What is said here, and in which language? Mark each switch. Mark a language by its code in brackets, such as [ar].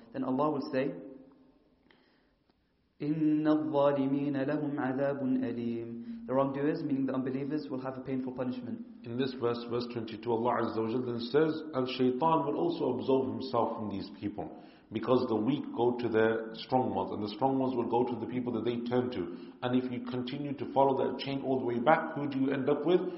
[en] Then Allah will say, [ar] إن الظالمين لهم عذاب أليم. [en] The wrongdoers, meaning the unbelievers, will have a painful punishment. In this verse, verse 22, Allah Azza wa Jalla says, and Shaytan will also absolve himself from these people. Because the weak go to their strong ones, and the strong ones will go to the people that they turn to. And if you continue to follow that chain all the way back, who do you end up with?